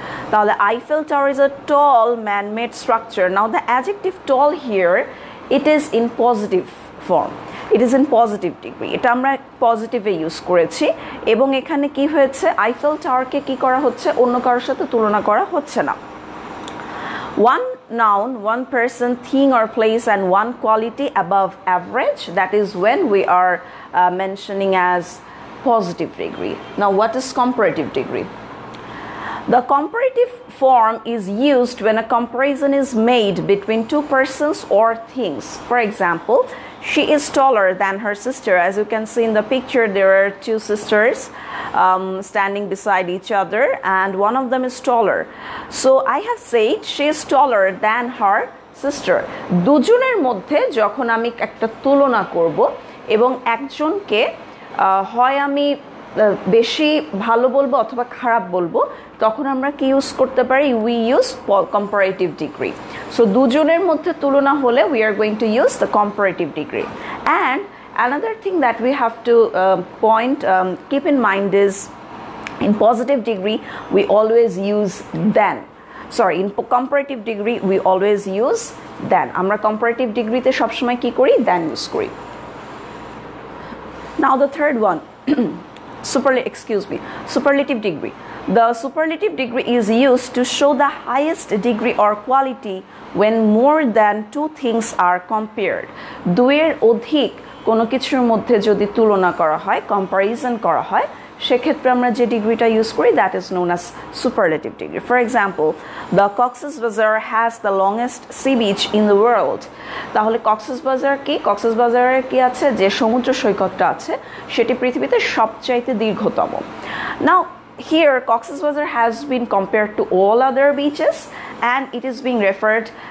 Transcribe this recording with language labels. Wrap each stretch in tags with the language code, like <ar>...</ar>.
<en>তাহলে Eiffel tower is a tall man made structure now the adjective tall here it is in positive form it is in positive degree</en> <bn>এটা আমরা পজিটিভে use করেছি এবং এখানে কী হয়েছে Eiffel টাওয়ারকে কী করা হচ্ছে অন্য কারোর সাথে তুলনা করা হচ্ছে না</bn> <en>One noun, one person, thing or place and one quality above average. That is when we are mentioning as positive degree. Now, what is comparative degree? The comparative form is used when a comparison is made between two persons or things. For example, she is taller than her sister. As you can see in the picture, there are two sisters standing beside each other and one of them is taller. So I have said she is taller than her sister.</en> <bn>দুজনের মধ্যে যখন আমি একটা তুলনা করব এবং একজনকে হয় আমি বেশি ভালো বলবো অথবা খারাপ বলবো তখন আমরা কি ইউজ করতে পারি</bn> <en>we use comparative degree so</en> <bn>দুজনের মধ্যে তুলনা হলে</bn> <en>we are going to use the comparative degree and another thing that we have to point keep in mind is in positive degree we always use then sorry in comparative degree we always use then</en> <bn>আমরা comparative ডিগ্রিতে সবসময় কী করি then use করি</bn> <en>Now the third one superlative degree. The superlative degree is used to show the highest degree or quality when more than two things are compared.</en> <bn>দুয়ের অধিক কোনো কিছুর মধ্যে যদি তুলনা করা হয় কম্পারিজন করা হয় সেক্ষেত্রে আমরা যে ডিগ্রিটা ইউজ করি</bn> <en>that is known as superlative degree for example the Cox's Bazar has the longest sea beach in the world</en> <bn>তাহলে কক্সবাজার কী কক্সবাজারের কী আছে যে সমুদ্র সৈকতটা আছে সেটি পৃথিবীতে সবচাইতে দীর্ঘতম</bn> <en>now here Cox's Bazar has been compare to all other beaches and it is being referred</en>